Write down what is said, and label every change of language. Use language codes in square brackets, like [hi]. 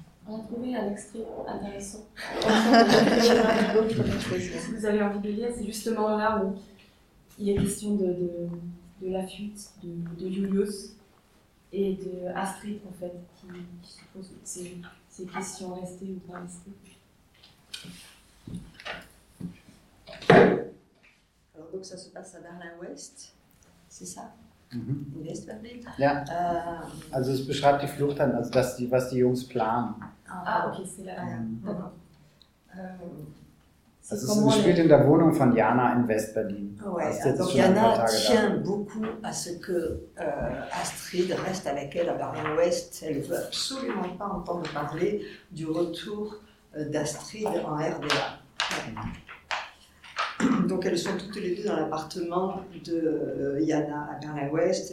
[fr] On a trouvé un extrait intéressant. Si vous avez envie de lire, c'est justement là où il est question de la fuite de Julius et de Astrid, en fait, qui se pose ces questions, restées ou pas restées. Alors, donc, ça se passe à Berlin-Ouest, c'est ça? [de] Mm-hmm. Westberlin? Ja. Also es beschreibt die Flucht dann, also was die Jungs planen. [fr] Ah, okay, c'est là. [de] Also es spielt in der Wohnung von Jana in Westberlin. [fr] Ouais, also Jana tient beaucoup à ce que Astrid reste avec elle à Berlin-Ouest. Elle veut absolument pas entendre parler du retour d'Astrid en RDA. Mm-hmm. Donc elles sont toutes les deux dans l'appartement de Yana à Berlin-Ouest.